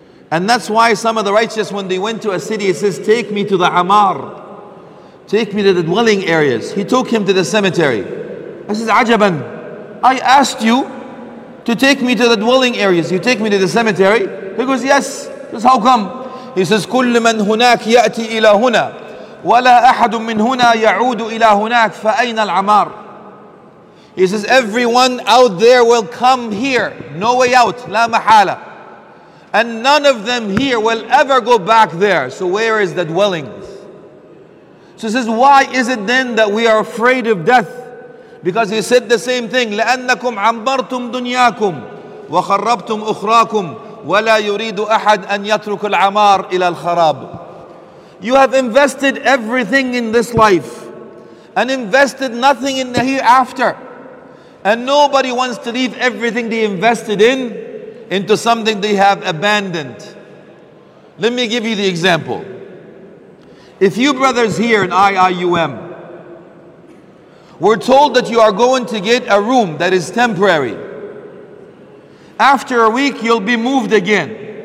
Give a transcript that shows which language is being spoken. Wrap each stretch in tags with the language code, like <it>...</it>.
<en>And that's why some of the righteous, when they went to a city, it says, take me to the amar. Take me to the dwelling areas. He took him to the cemetery. I says, ajaban, I asked you to take me to the dwelling areas. You take me to the cemetery? He goes, yes. How come? He says,</en> <ar>كل من هناك يأتي إلى هنا ولا أحد من هنا يعود إلى هناك فأين العمار.</ar> <en>He says, everyone out there will come here. No way out.</en> <ar>لا محالة.</ar> <en>And none of them here will ever go back there. So where is the dwellings? So he says, why is it then that we are afraid of death? Because he said the same thing.</en> <ar>لأنكم عمرتم دنياكم وخربتم أخراكم. وَلَا يُرِيدُ أَحَدٌ أَنْ يَتْرُكُ الْعَمَارُ إِلَى الْخَرَابُ.</ar> <en>You have invested everything in this life and invested nothing in the hereafter. And nobody wants to leave everything they invested in into something they have abandoned. Let me give you the example. If you brothers here in IIUM were told that you are going to get a room that is temporary, after a week, you'll be moved again.</en>